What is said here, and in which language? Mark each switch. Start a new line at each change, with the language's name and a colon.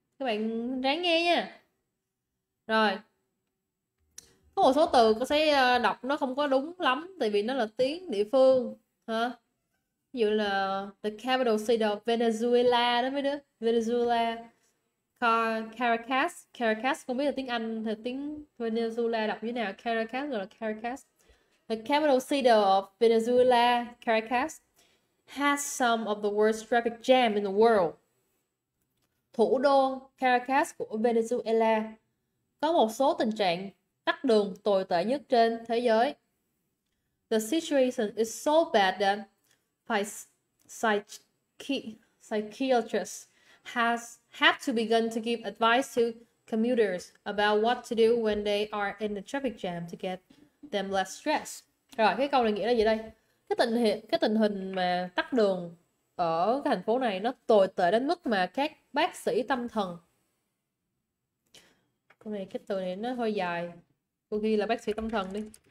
Vietnamese: Các bạn ráng nghe nha. Rồi. Có một số từ cô sẽ đọc nó không có đúng lắm tại vì nó là tiếng địa phương. Hả? Ví dụ là the capital city of Venezuela đó mấy đứa. Venezuela. Caracas. Caracas không biết là tiếng Anh thì tiếng Venezuela đọc như nào. Caracas gọi là Caracas.
English: The capital city of Venezuela, Caracas, has some of the worst traffic jam in the world.
Vietnamese: Thủ đô Caracas của Venezuela có một số tình trạng tắc đường tồi tệ nhất trên thế giới.
English: The situation is so bad that psychiatrists have to begin to give advice to commuters about what to do when they are in the traffic jam to get them less stress.
Vietnamese: Rồi cái câu này nghĩa là gì đây? Cái tình hình mà tắc đường ở cái thành phố này nó tồi tệ đến mức mà các bác sĩ tâm thần. Câu này cái từ này nó hơi dài. Cô ghi là bác sĩ tâm thần đi.